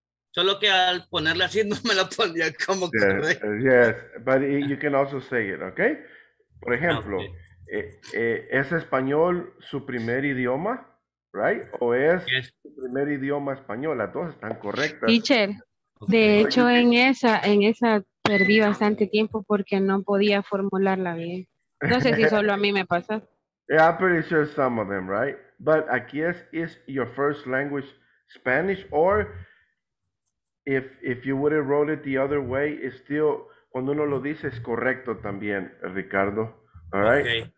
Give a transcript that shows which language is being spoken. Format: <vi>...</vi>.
<es>Solo que al ponerla así no me la pondría como</es> <en>yes, but you can also say it, okay?</en> <es>Por ejemplo, okay. ¿Es español su primer idioma? Right? ¿O es su primer idioma español? Las dos están correctas. Teacher, de hecho en esa perdí bastante tiempo porque no podía formularla bien. No sé si solo a mí me pasa.</es> <en>Yeah, I'm pretty sure some of them, right? But</en> <es>aquí es,</es> <en>is your first language Spanish or... If you would have wrote it the other way, it's still,</en> <es>cuando uno lo dice, es correcto también,</es> <en>Ricardo. All right? Okay.</en>